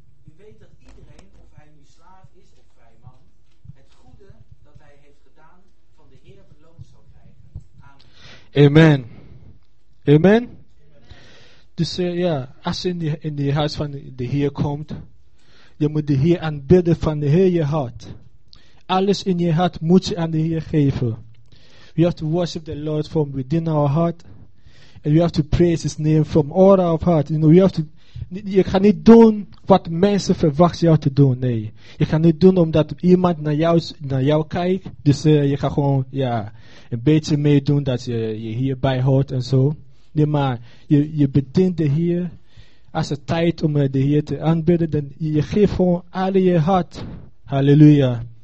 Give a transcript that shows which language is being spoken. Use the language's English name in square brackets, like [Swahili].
[Dutch] U weet dat iedereen, of hij nu slaaf is of vrij man, het goede dat hij heeft gedaan van de Heer beloond zal krijgen. Amen. Amen. Amen. Dus ja, als je in de huis van de Heer komt, je moet de Heer aanbidden van de heel je hart. Alles in je hart moet je aan de Heer geven. [English] We have to worship the Lord from within our heart. And we have to praise His name from all our heart. You know, we have to, [Dutch] je kan niet doen wat mensen verwachten jou te doen. Nee. Je kan niet doen omdat iemand naar jou kijkt. Dus je kan gewoon ja, een beetje meedoen dat je hierbij hoort en zo. Nee, maar je bedient de Heer. Als het tijd om de Heer te aanbidden, dan je geeft gewoon al je hart. Halleluja.